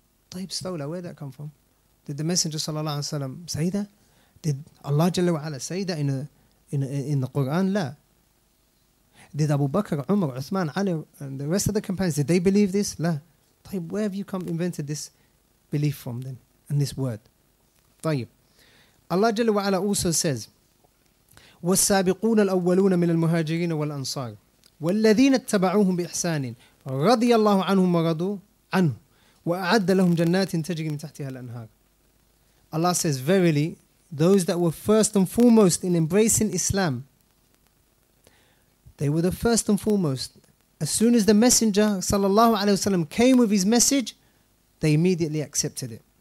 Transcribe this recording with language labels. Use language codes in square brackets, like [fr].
[en] Tayyib stawla, where did that come from? Did the Messenger sallallahu alayhi wa sallam say that? Did Allah jalla wa ala say that in the Quran? La. Did Abu Bakr, Umar, Uthman, Ali and the rest of the companions, did they believe this? La. Tayyib, where have you invented this belief from then? And this word? Tayyib. Allah Jalla wa'ala also says, [ar] وَالسَّابِقُونَ الْأَوَّلُونَ مِنَ الْمُهَاجِرِينَ وَالْأَنصَارِ وَالَّذِينَ اتَّبَعُوهُمْ بِإِحْسَانٍ رَضِيَ اللَّهُ عَنْهُمْ وَرَضُوا عَنْهُ وَأَعَدَّ لَهُمْ جَنَّاتٍ تَجْرِي مِنْ تَحْتِهَا الْأَنْهَارِ. [en] Allah says, verily, those that were first and foremost in embracing Islam, they were the first and foremost. As soon as the Messenger sallallahu alayhi wasallam came with his message, they immediately accepted it.